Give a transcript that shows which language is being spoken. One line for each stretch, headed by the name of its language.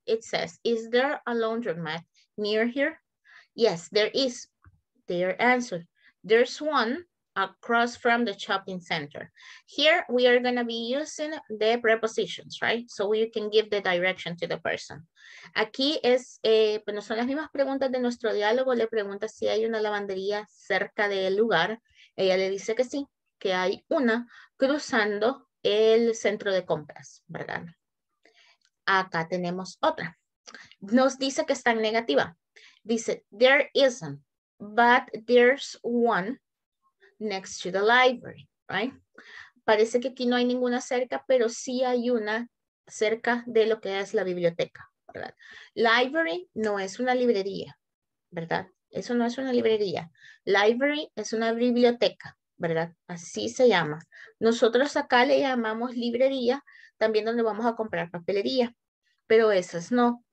English: It says, is there a laundromat near here? Yes, there is. Their answer. There's one across from the shopping center. Here we are gonna be using the prepositions, right? So we can give the direction to the person.
Spanish: Aquí es, bueno, son las mismas preguntas de nuestro diálogo. Le pregunta si hay una lavandería cerca del lugar. Ella le dice que sí, que hay una cruzando el centro de compras, ¿verdad? Acá tenemos otra. Nos dice que está en negativa.
English: Dice, there isn't, but there's one next to the library, right?
Spanish: Parece que aquí no hay ninguna cerca, pero sí hay una cerca de lo que es la biblioteca, ¿verdad? Library no es una librería, ¿verdad? Eso no es una librería. Library es una biblioteca, ¿verdad? Así se llama. Nosotros acá le llamamos librería, también donde vamos a comprar papelería, pero esas no.